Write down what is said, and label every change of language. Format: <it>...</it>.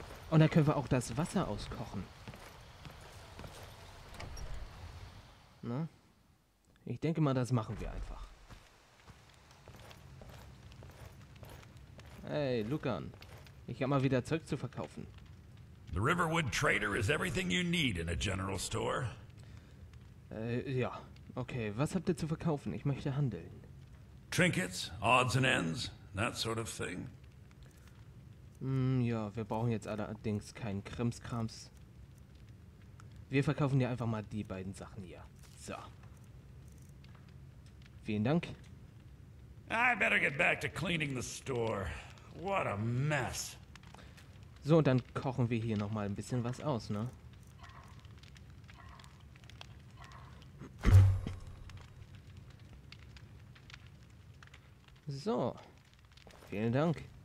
<de>Und dann können wir auch das Wasser auskochen. Ne? Ich denke mal, das machen wir einfach. Hey, Lucan. Ich hab mal wieder Zeug zu verkaufen.</de> <en>The Riverwood Trader is everything you need in a general store.</en> <de>Ja. Okay, was habt ihr zu verkaufen? Ich möchte handeln.</de> <en>Trinkets, odds and ends, that sort of thing.</en> <de>Ja, wir brauchen jetzt allerdings keinen Krimskrams. Wir verkaufen dir einfach mal die beiden Sachen hier. So. Vielen Dank.</de> <en>I better get back to cleaning the store. What a mess.</en> <de>So, und dann kochen wir hier noch mal ein bisschen was aus, ne? So. Vielen Dank.</de>